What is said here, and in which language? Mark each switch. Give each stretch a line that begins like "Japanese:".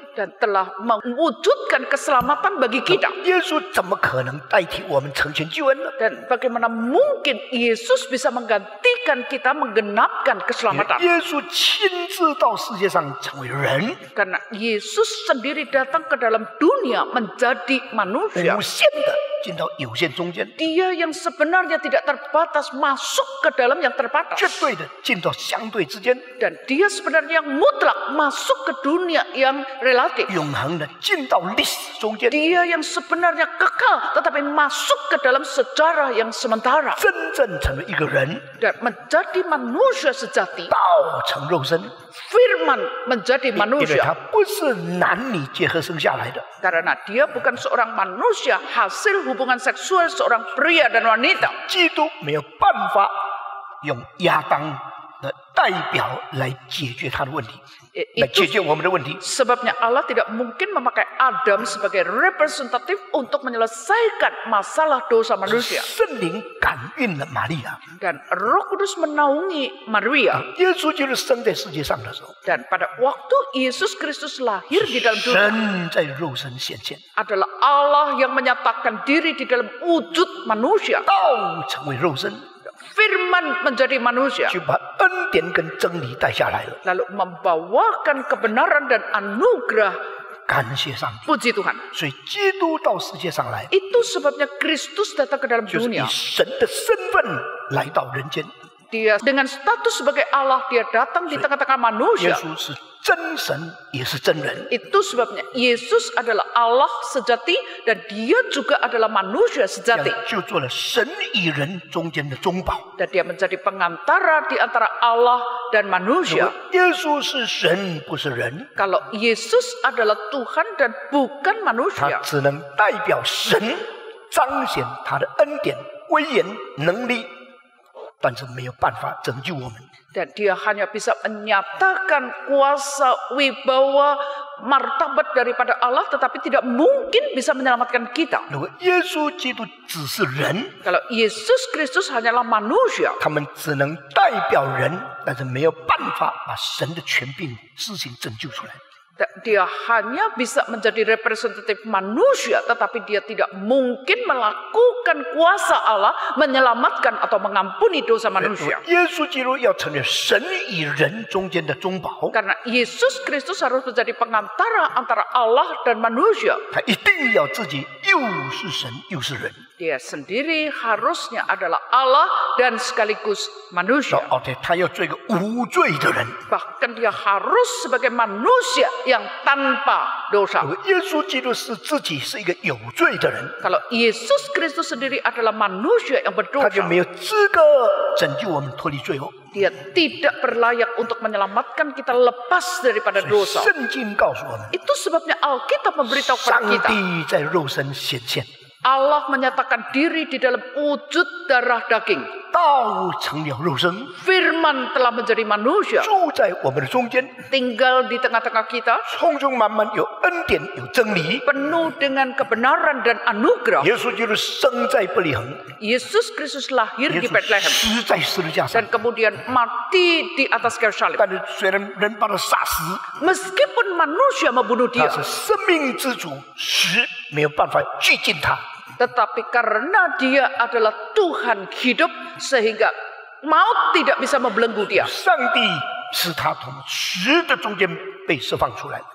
Indonesian: 咱 telah mewujudkan keselamatan bagi kita.
Chinese: 耶稣怎么可能代替我们成全救恩呢?
Indonesian: Dan bagaimana mungkin Yesus bisa menggantikan kita, menggenapkan keselamatan?
Chinese: 耶稣亲自到世界上成为人,
Indonesian: karena Yesus sendiri datang ke dalam dunia menjadi manusia.
Chinese: 无限的 进到有限中间,
Indonesian: dia yang sebenarnya tidak terbatas masuk ke dalam yang terbatas.
Chinese: 绝对的, 进到相对之间,
Indonesian: dan dia sebenarnya yang mutlak masuk ke dunia yang relatif.
Chinese: 永恒的, 进到历史中间,
Indonesian: dia yang sebenarnya kekal tetapi masuk ke dalam sejarah yang sementara.
Chinese: 真正成为一个人,
Indonesian: dan menjadi manusia sejati.
Chinese: 道成肉身,
Indonesian: firman menjadi manusia.
Chinese: 因为他不是男女结合生下来的,
Indonesian: karena dia bukan seorang manusia hasil hubungan seksual seorang pria dan wanita.
Chinese: 基督没有办法 用亚当的代表来解决他的问题, 来解决我们的问题.
Indonesian: Sebabnya Allah tidak mungkin memakai Adam sebagai representatif untuk menyelesaikan masalah dosa manusia.
Chinese: 圣灵感孕了玛利亚,
Indonesian: dan Roh Kudus menaungi Maria.
Chinese: 耶稣就是生在世界上的时候,
Indonesian: dan pada waktu Yesus Kristus lahir di dalam dunia,
Chinese: 神在肉身显现,
Indonesian: adalah Allah yang menyatakan diri di dalam wujud manusia.
Chinese: 道成为肉身,
Indonesian: firman menjadi manusia.
Chinese: 就把恩典跟真理带下来了,
Indonesian: lalu membawakan kebenaran dan anugerah.
Chinese: 感谢上帝, 不及 Tuhan. 所以基督到世界上来,
Indonesian: itu sebabnya Kristus datang ke dalam dunia.
Chinese: 就是以神的身份来到人间,
Indonesian: dia dengan status sebagai Allah dia datang di tengah-tengah manusia.
Chinese: 耶稣是真神, 也是真人.
Indonesian: Itu sebabnya Yesus adalah Allah sejati dan dia juga adalah manusia sejati.
Chinese: 就做了神与人中间的中保.
Indonesian: Dan dia menjadi pengantara di antara Allah dan manusia.
Chinese: 耶稣是神不是人,
Indonesian: kalau Yesus adalah Tuhan dan bukan manusia,
Chinese: 他只能代表神, 彰显他的恩典, 威严, 能力, 但是没有办法拯救我们.
Indonesian: Dan dia hanya bisa menyatakan kuasa, wibawa, martabat daripada Allah, tetapi tidak mungkin bisa menyelamatkan kita.
Chinese: 如果耶稣基督只是人,
Indonesian: kalau Yesus Kristus hanyalah manusia,
Chinese: 他们只能代表人, 但是没有办法把神的权柄施行拯救出来.
Indonesian: Dia hanya bisa menjadi representatif manusia, tetapi dia tidak mungkin melakukan kuasa Allah menyelamatkan atau mengampuni dosa manusia.
Chinese: Yesus Kristus 要成为神与人中间的中保,
Indonesian: karena Yesus Kristus harus menjadi pengantara antara Allah dan manusia.
Chinese: 他一定要自己又是神又是人.
Indonesian: Dia sendiri harusnya adalah Allah dan sekaligus manusia.
Chinese: Okay,他要做一个无罪的人.
Indonesian: Bahkan dia harus sebagai manusia yang tanpa dosa.
Chinese: 耶稣基督是自己是一个有罪的人,
Indonesian: kalau Yesus Kristus sendiri adalah manusia yang berdosa,
Chinese: 他就没有资格拯救我们脱离罪恶.
Indonesian: Dia tidak berlayak untuk menyelamatkan kita lepas daripada dosa.
Chinese: 圣经告诉我们,
Indonesian: itu sebabnya Alkitab memberitahu kepada kita,
Chinese: 上帝在肉身显现,
Indonesian: Allah menyatakan diri di dalam wujud darah daging.
Chinese: 道成了肉身,
Indonesian: firman telah menjadi manusia.
Chinese: 住在我们的中间,
Indonesian: tinggal di tengah-tengah kita.
Chinese: 充充满满有恩典有真理,
Indonesian: penuh dengan kebenaran dan anugerah.
Chinese: 耶稣基督生在伯利恒,
Indonesian: Yesus Kristus lahir di Bethlehem.
Chinese: 死在十字架上,
Indonesian: dan kemudian mati di atas kayu salib.
Chinese: 但是虽然人把他杀死,
Indonesian: meskipun manusia membunuh dia,
Chinese: 他是生命之主, 死没有办法拘禁他,
Indonesian: tetapi karena dia adalah Tuhan hidup, sehingga maut tidak bisa membelenggu dia.
Chinese: 上帝使他从死的中间被释放出来,